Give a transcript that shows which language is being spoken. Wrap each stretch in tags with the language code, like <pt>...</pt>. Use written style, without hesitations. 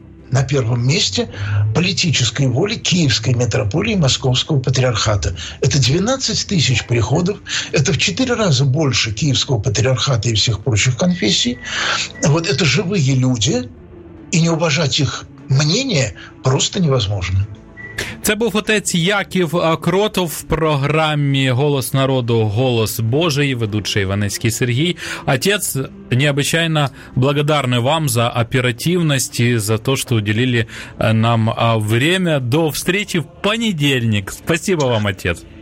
<ru>на первом месте политической воли Киевской митрополии Московского патриархата. Это 12 тысяч приходов. Это в 4 раза больше Киевского патриархата и всех прочих конфессий. Вот это живые люди, и не уважать их мнение просто невозможно.</ru> <uk>Це був отець Яків Кротов в програмі «Голос народу, голос Божий», ведучий Іваницький Сергій.</uk> <ru>Отець, необычайно благодарны вам за оперативность и за то, что уделили нам время. До встречи в понедельник. Спасибо вам, отец.</ru>